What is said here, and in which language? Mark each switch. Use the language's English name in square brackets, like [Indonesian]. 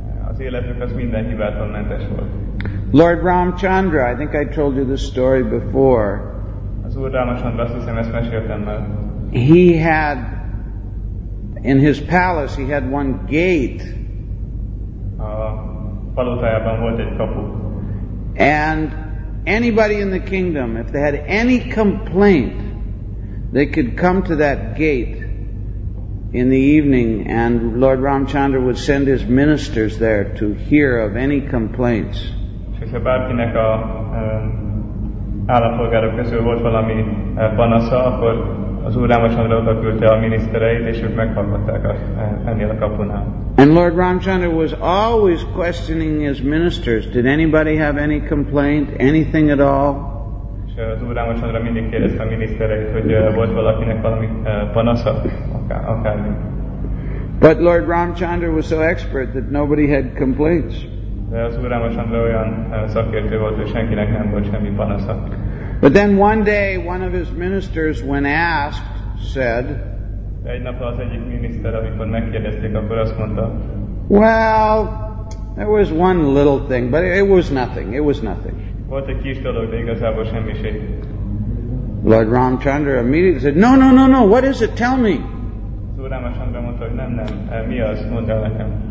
[Hungarian] Az életük az minden hibától mentes volt. [English] Lord Ramchandra, I think I told you this story before. [Hungarian] Az Úr Ramachandra, azt hiszem, ezt meséltem már. [English] He had, in his palace, he had one gate. [Hungarian] A palotájában volt egy kapu. [English] And anybody in the kingdom, if they had any complaint, they could come to that gate in the evening, and Lord Ramchandra would send his ministers there to hear of any complaints. [Hungarian] És ha bárkinek a állampolgárok közül volt valami panasza, akkor az Úr Ramachandra oda küldte a minisztereit, és ők meghallgatták ennél a kapunál. [English] And Lord Ramchandra was always questioning his ministers, did anybody have any complaint, anything at all? [Hungarian] És az Úr Ramachandra mindig kérdezte a minisztereit, hogy volt valakinek valami panasza, akármi. [English] But Lord Ramchandra was so expert that nobody had complaints. [Hungarian] De az Úr Ramachandra olyan szakértő volt, hogy senkinek nem volt semmi panasza. [English] But then one day, one of his ministers, when asked, said, [Hungarian] egy nap az egyik miniszter, amikor megkérdezték, akkor azt mondta, [English] well, there was one little thing, but it was nothing, it was nothing. [Hungarian] Volt egy kis dolog, de igazából semmiség. [English] Lord Ramchandra immediately said, no, what is it, tell me. [Hungarian] Az Úr Ramachandra mondta, hogy nem, mi az, mondd el nekem.